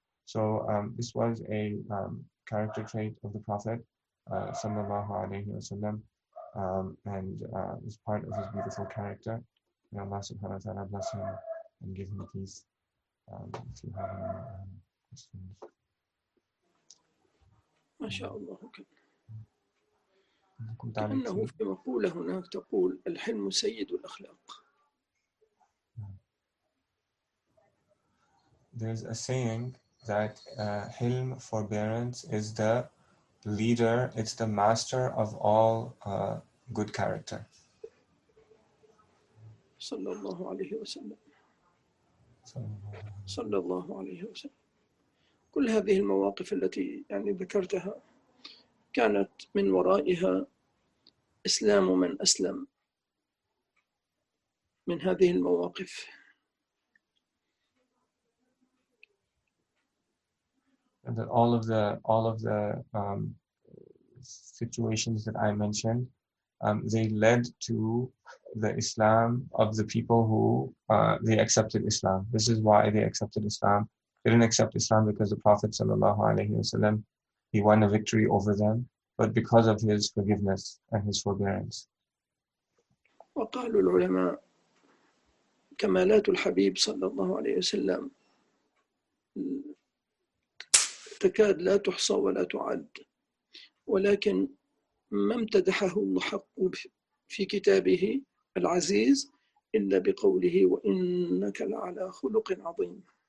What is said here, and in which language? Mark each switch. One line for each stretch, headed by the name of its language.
English: So this was a character trait of the Prophet sallallahu alayhi wa sallam, and was part of his beautiful character. May Allah subhanahu wa ta'ala bless him and give him peace. If you have any questions. MashaAllah.
Arabic: كأنه في مقولة هناك تقول الحلم سيد الأخلاق.
English: There's a saying that hilm, forbearance, is the leader, it's the master of all good character.
Arabic: صلى الله عليه وسلم. صلى الله عليه وسلم. كل هذه المواقف التي يعني ذكرتها كانت من ورائها إسلام من أسلم من هذه المواقف.
English: And that all of the situations that I mentioned, they led to the Islam of the people who they accepted Islam. This is why they accepted Islam. They didn't accept Islam because the Prophet sallallahu alaihi wasallam, he won a victory over them, but because of his forgiveness and his forbearance.
Arabic: وقال العلماء كمالات الحبيب صلى الله عليه وسلم تكاد لا تحصى ولا تعد، ولكن ما امتدحه اللحق في كتابه العزيز إلا بقوله وإنك لعلى خلق عظيم.